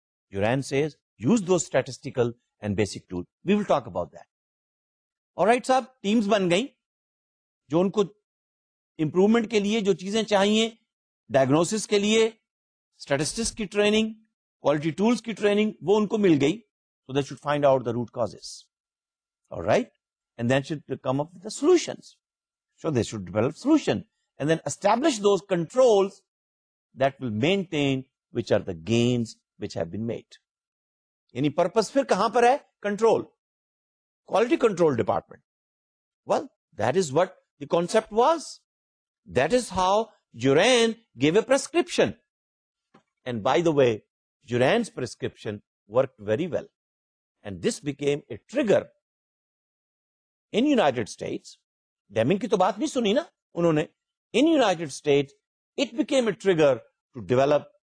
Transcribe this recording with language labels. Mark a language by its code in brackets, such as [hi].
[en] Juran says uses those statistical and basic tool, we will talk about that. [ur] All right صاحب، teams بن گئیں جو ان کو improvement کے لیے جو چیزیں چاہیے، ڈائگنوسس کے لیے اسٹیٹسٹکس کی ٹریننگ، کوالٹی ٹولس کی ٹریننگ، وہ ان کو مل گئی. [en] So they should find out the root causes, alright, and then should come up with the solutions. So they should develop solution and then establish those controls that will maintain which are the gains which have been made. [ur] یعنی purpose پھر کہاں پر ہے؟ Control, quality control department. [en] Well, that is what the concept was, that is how Juran gave a prescription. And by the way, Juran's prescription worked very well. And this became a trigger in United States. [ur] Deming ki to baat nahi suni na unhone. [en] In United States, it became a trigger to develop